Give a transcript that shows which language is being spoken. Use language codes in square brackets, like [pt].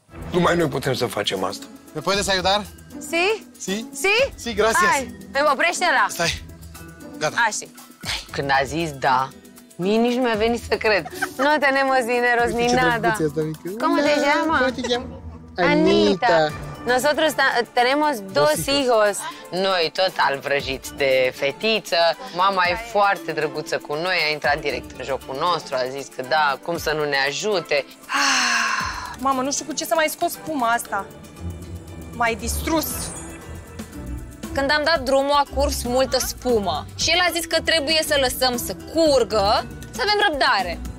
[ro] Numai noi putem să facem asta. [es] Me puedes ayudar? Sí? Sí? Sí? Sí, gracias. [ro] Hai, îmi oprește-la. Stai. Gata. Așa. Când a zis da, mie nici nu mi-a venit să cred. [es] Nu tenemos dineros ni nada. [ro] Cum [es] te llama? [ro] Cum [es] te llama? Anita. Nosotros tenemos dos hijos. [ro] Noi tot al vrăjit de fetiță. Mama e foarte drăguță cu noi, a intrat direct în jocul nostru, a zis că da, cum să nu ne ajute. Mamă, nu știu cu ce să mai scot spuma asta. M-ai distrus. Când am dat drumul, a curs multă spumă. Și el a zis că trebuie să lăsăm să curgă, să avem răbdare.